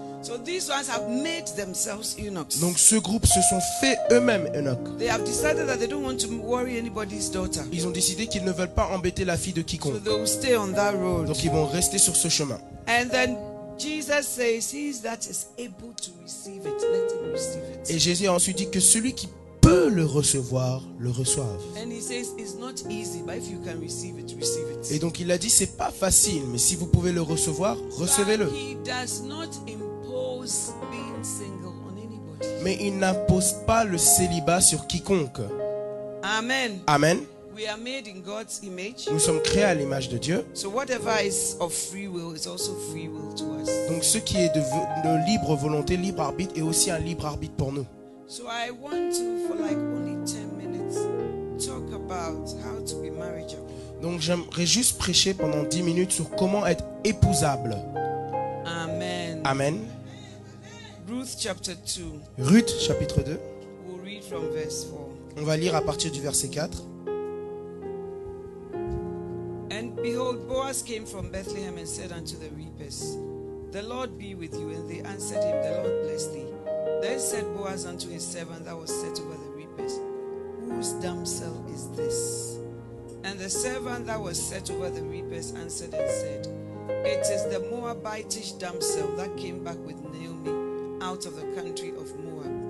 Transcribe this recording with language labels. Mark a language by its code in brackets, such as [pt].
[en] So these ones have made themselves eunuchs. [fr] Donc ce groupe se sont fait eux-mêmes eunuchs. [en] They have decided that they don't want to worry anybody's daughter. [fr] Ils ont décidé qu'ils ne veulent pas embêter la fille de quiconque. [en] So they will stay on that road. [fr] Donc ils vont rester sur ce chemin. [en] And then Jesus says, he that is able to receive it, let him receive it. [fr] Et Jésus a ensuite dit que celui qui peut le recevoir, le reçoive. [en] And he says, it's not easy, but if you can receive it, receive it. [fr] Et donc il a dit, c'est pas facile, mais si vous pouvez le recevoir, recevez-le. [en] But he does not being single on anybody. [fr] Mais il n'impose pas le célibat sur quiconque. [en] Amen. [fr] Amen. [en] We are made in God's image. [fr] Nous sommes créés à l'image de Dieu. [en] So whatever is of free will is also free will to us. [fr] Donc ce qui est de libre volonté, libre arbitre est aussi un libre arbitre pour nous. [en] So I want to for like only 10 minutes talk about how to be marriageable. [fr] Donc j'aimerais juste prêcher pendant 10 minutes sur comment être épousable. [en] Amen. [fr] Amen. [en] Ruth chapter 2. [fr] Ruth chapitre 2. [en] We'll read from verse 4. [fr] On va lire à partir du verset 4. [en] And behold, Boaz came from Bethlehem and said unto the reapers, The Lord be with you. And they answered him, The Lord bless thee. Then said Boaz unto his servant that was set over the reapers, Whose damsel is this? And the servant that was set over the reapers answered and said, It is the Moabitish damsel that came back with Naomi out of the country of Moab.